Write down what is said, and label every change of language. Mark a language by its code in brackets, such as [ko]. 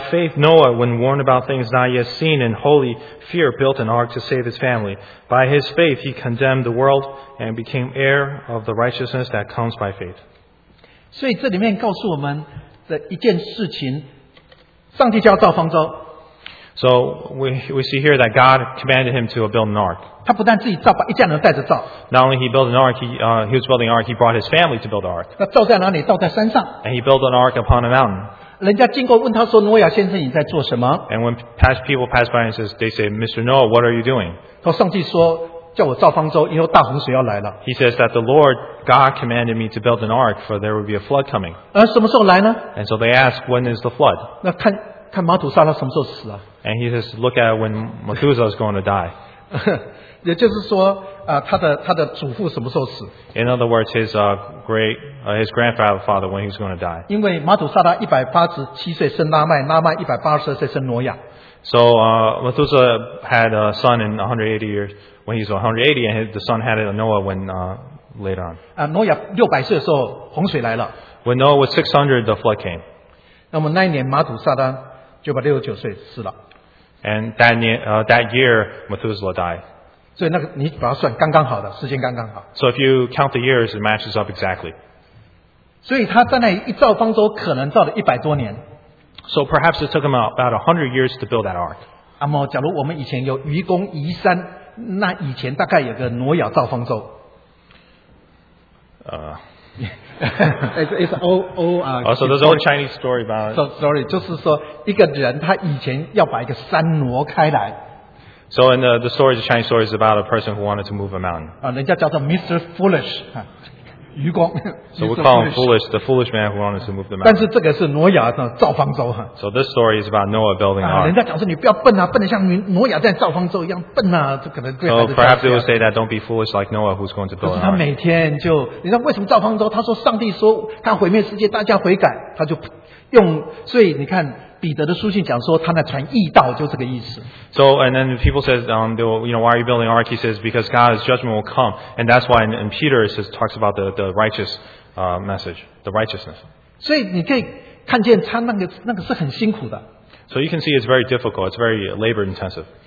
[en] faith Noah, when warned about things not yet seen, in holy fear built an ark to save his family. By his faith he condemned the world and became heir of the righteousness that comes by faith. [zh] 所以这里面告诉我们的一件事情上帝叫造方舟。 [en] So we see here that God commanded him to build an ark. Not only he built an ark, he was building an ark, he brought his family to build an ark. And he built an ark upon a mountain. [zh] 人家经过问他说,挪亚先生你在做什么? [en] And when people pass by and says, they say, Mr. Noah, what are you doing? [zh] 他说上帝说, [en] he says that the Lord, God commanded me to build an ark for there would be a flood coming. [zh] 而什么时候来呢? [en] And so they ask, when is the flood? [zh] 那看马土撒拉什么时候死啊? [en] And he says, look at when Methuselah is going to die. [zh] 也就是说, 他的祖父什么时候死? [en] In other words, his grandfather, father, when he's going to die. [zh] 因为马土撒拉187岁生拉麦,拉麦182岁生挪亚. [en] So Methuselah had a son in 180 years when he was 180, and the son had it Noah when later on. [zh] 挪亚600岁的时候洪水来了. [en] When Noah was 600, the flood came. [zh] 那么那一年马土撒拉 [en] and that year, Methuselah died. [zh] 所以那个你把它算刚刚好的, [en] so if you count the years, it matches up exactly. [zh] 所以他在那一造方舟可能造了100多年. [en] So perhaps it took him about 100 years to build that ark. [zh] 假如我们以前有愚公移山, 那以前大概有个挪亚造方舟. [en] So there's an old Chinese story about it. So, sorry, [zh] 就是说一个人他以前要把一个山挪开来. [en] So in the story, the Chinese story is about a person who wanted to move a mountain. [zh] 人家叫做 Mr. Foolish, 愚公. [en] So we call him Foolish, the foolish man who wanted to move the mountain. [zh] 但是这个是挪亚造方舟. [en] So this story is about Noah building an ark. [zh] 人家讲说你不要笨啊, 笨得像挪亚在造方舟一样笨啊, 这可能对孩子造方舟。 [en] So perhaps they will say that don't be foolish like Noah who's going to build an ark. [zh] 可是他每天就, 你知道为什么造方舟?他说上帝说他毁灭世界, 大家悔改, 他就用, 所以你看, 彼得的书信讲说他那传义道就这个意思. [en] So and then people says why are you building ark? He says because God's judgment will come, and that's why in Peter it says talks about the righteous message, the righteousness. [zh] 所以你可以看见他那个是很辛苦的. [en] So you can see it's very difficult, it's very labor intensive.